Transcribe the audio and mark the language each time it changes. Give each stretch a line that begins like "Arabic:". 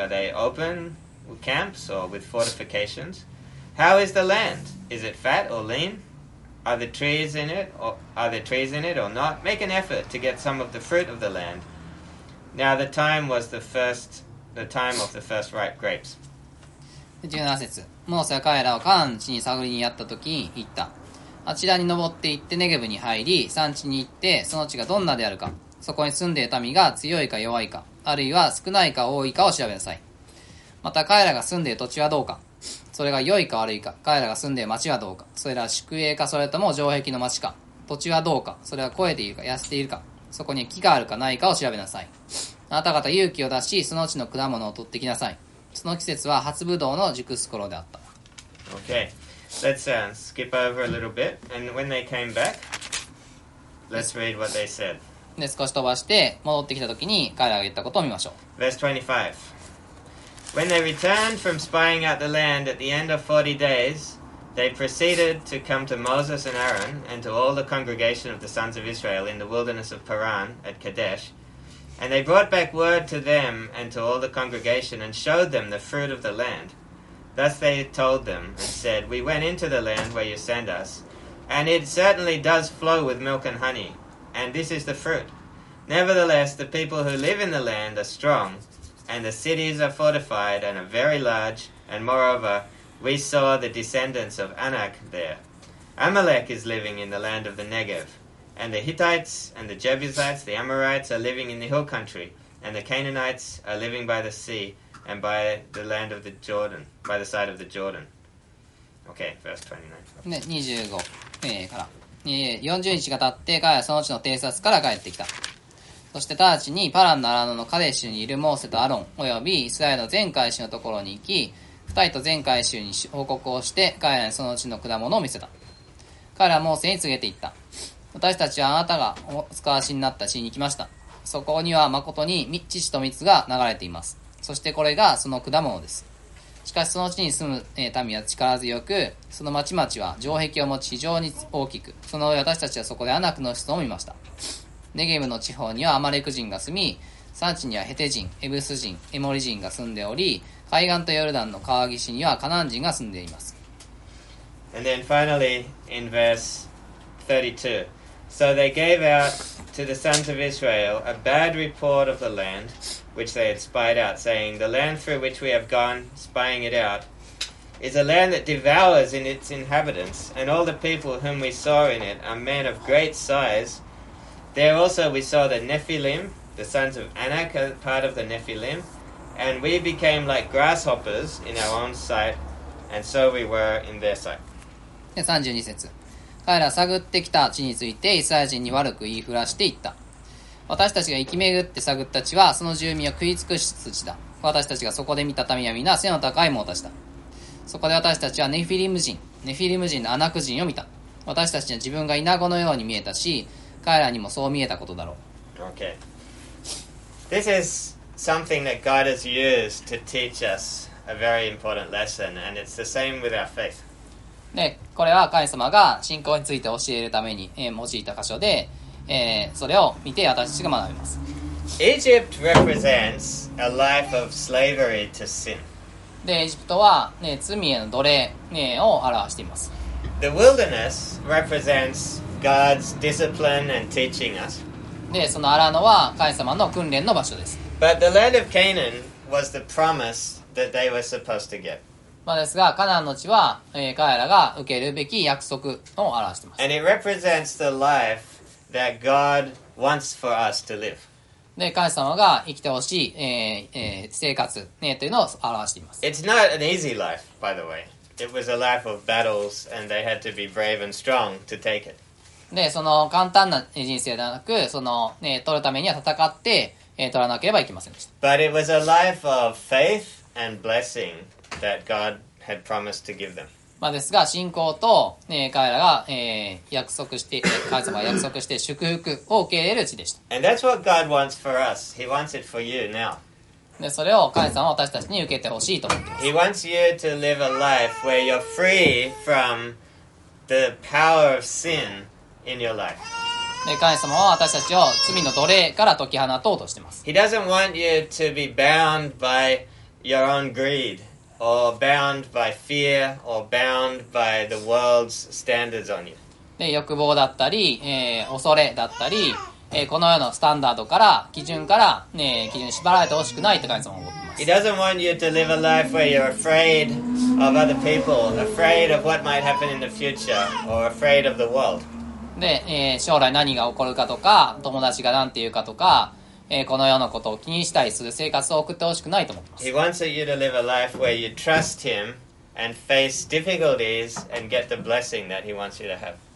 English: Are they open with camps or with fortifications? How is the land? Is it fat or lean? Are there trees in it or not? Make an effort to get some of the fruit of the land. Now the time of the first ripe grapes.
Japanese: 17節、モーセは彼らをカナン地に探りにやったとき言った。あちらに登って行ってネゲブに入り、山地に行ってその地がどんなであるか、そこに住んでいる民が強いか弱いか、あるいは少ないか多いかを調べなさい。また彼らが住んでいる土地はどうか、それが良いか悪いか、彼らが住んでいる町はどうか、それらは宿営か、それとも城壁の町か、土地はどうか、それは肥えているか痩せているか、そこに木があるかないかを調べなさい。あなた方勇気を出し、その地の果物を取ってきなさい。その季節は初ぶどうの熟す頃であった。
English: Okay, let's skip over a little bit. And when they came back, let's read what they said.
Japanese: で、少し飛ばして戻ってきた時に彼らが言ったことを見ましょう。
English: Verse 25. When they returned from spying out the land at the end of 40 days, they proceeded to come to Moses and Aaron and to all the congregation of the sons of Israel in the wilderness of Paran at Kadesh. And they brought back word to them and to all the congregation and showed them the fruit of the land. Thus they told them and said, We went into the land where you sent us, and it certainly does flow with milk and honey, and this is the fruit. Nevertheless, the people who live in the land are strong, and the cities are fortified and are very large, and moreover, we saw the descendants of Anak there. Amalek is living in the land of the Negev, and the Hittites and the Jebusites, the Amorites, are living in the hill country, and the Canaanites are living by the sea and by the land of the Jordan, by the side of the Jordan. Okay, verse 29.
Japanese: 25から。 40日が経って、彼はその地の偵察から帰ってきた。そして直ちにパランのアラノのカデシュにいるモーセとアロン、およびイスラエルの全会衆のところに行き、二人と全会衆に報告をして、彼らにその地の果物を見せた。彼らはモーセに告げていった。私たちはあなたがお使わしになった地に行きました。そこには誠に乳と蜜が流れています。そしてこれがその果物です。しかしその地に住む民は力強く、その町々は城壁を持ち非常に大きく、その上私たちはそこでアナクの子孫を見ました。ネゲブの地方にはアマレク人が住み、山地にはヘテ人、エブス人、エモリ人が住んでおり、海岸とヨルダンの川岸にはカナン人が住んでいます。
English: And then finally, in verse 32. So they gave out to the sons of Israel a bad report of the land,which they had spied out, saying, The land through which we have gone, spying it out, is a land that devours in its inhabitants, and all the people whom we saw in it are men of great size. There also we saw the Nephilim, the sons of Anak, part of the Nephilim, and we became like grasshoppers in our own sight, and so we were in their sight.
Japanese: 32節。彼ら探ってきた地について、イスラエル人に悪く言いふらしていった。私たちが行き巡って探った地は、その住民を食い尽くす土地だ。私たちがそこで見た民は皆、背の高い者たちだ。そこで私たちはネフィリム人のアナク人を見た。私たちは自分がイナゴのように見えたし、彼らにもそう見えたことだろう。
English: Okay. This is something that God has used to teach us a very important lesson, and it's the same with our faith.
Japanese: で、これは神様が信仰について教えるために、用いた箇所で、それを見て私たちが学びます。
English: Egypt represents a life of slavery to sin.
Japanese: で、エジプトは、ね、罪への奴隷、ね、を表しています。
English: The wilderness represents God's discipline and teaching us.
Japanese: で、そのアラノは神様の訓練の場所です。
English: But the land of Canaan was the promise that they were supposed to get.
Japanese: まあ、ですが、カナンの地は、彼らが受けるべき約束を表しています。
English: And it represents the life. That God wants for us to live.
Japanese: で、神様が生きてほしい、生活、ね、というのを表しています。
English: It's not an easy life, by the way. It was a life of battles, and they had to be brave and strong to take it.
Japanese: で、その簡単な人生ではなく、その、ね、取るためには戦って、取らなければいけませんでした。
English: But it was a life of faith and blessing that God had promised to give them.
Japanese: まあ、ですが信仰と、ね、彼らが、約束して神様が約束して祝福を受け入れる地でした。
English: And that's what God wants for us. He wants it for you now.
Japanese: でそれを神様は私たちに受けてほしいと思っています。
English: He wants you to live a life where you're free from the power of sin in your life.
Japanese: で神様は私たちを罪の奴隷から解き放とうとしています。
English: He doesn't want you to be bound by your own greed. Or bound by fear, or bound by the world's standards on you.
Japanese: で、欲望だったり、恐れだったり、この世のスタンダードから、基準から、ね、基準に縛られてほしくないって感じも思っています。
English: He doesn't want you to live a life where you're afraid of other people, afraid of what might happen in the future, or afraid of the world.
Japanese: で、将来何が起こるかとか、友達が何て言うかとか、この世のことを気にしたりする生活を送ってほしくないと思います。
English: He wants you to live a life where you trust him and face difficulties and get the blessing that he wants you to have.